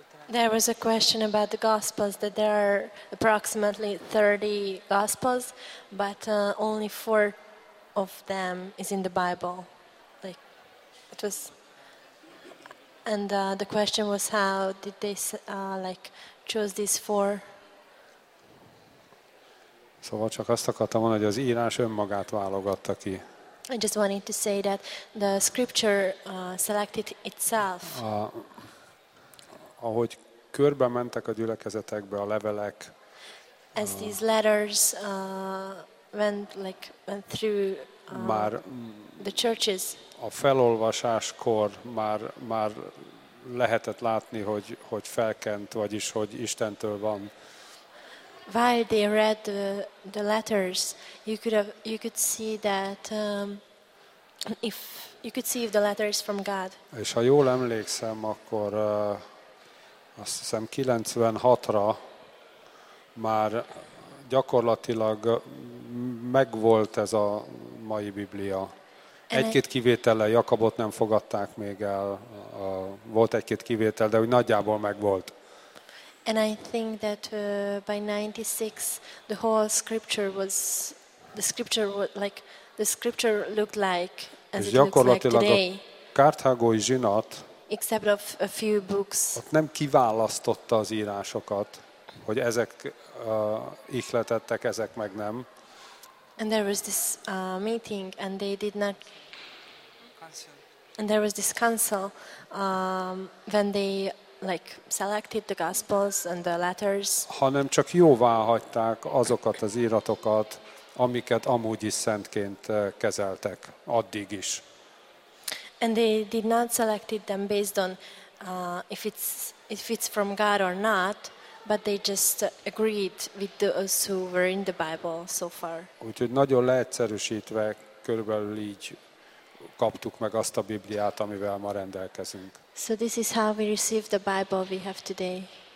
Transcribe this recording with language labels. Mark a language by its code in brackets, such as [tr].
[en] There was a question about the Gospels, that there are approximately 30 Gospels, but only 4 of them is in the Bible. Like, it was... And the question was, how did they, choose these 4? [hu] Szóval csak azt akartam mondani, hogy az írás önmagát válogatta ki. [en] I just wanted to say that the scripture selected itself. [hu] Ahogy körbe mentek a gyülekezetekbe a levelek. [en] As these letters went through the churches. [hu] A felolvasáskor már lehetett látni, hogy felkent, vagyis hogy Istentől van. [en] While they read the letters, you could see that if the letter is from God. [hu] És ha jól emlékszem, akkor azt hiszem 96-ra már gyakorlatilag megvolt ez a mai Biblia. Egy-két kivétellel, Jakabot nem fogadták még el, volt egy-két kivétel, de úgy nagyjából megvolt. [en] And I think that by 96 the whole scripture was the scripture looked like as it looks like today. [hu] Karthágói zsinat, [en] except of a few books. [hu] Ott nem kiválasztotta az írásokat, hogy ezek ihletettek, ezek meg nem. [en] And there was this meeting and they did not council. And there was this council when they selected the gospels and the letters. [hu] Hanem csak jóvá hagyták azokat az íratokat, amiket amúgy is szentként kezeltek addig is. [en] And they did not select them based on if it's from God or not, but they just agreed with those who were in the Bible so far. [hu] Úgyhogy nagyon leegyszerűsítve körülbelül így kaptuk meg azt a Bibliát, amivel ma rendelkezünk. [en] So this is how we received the Bible we have today.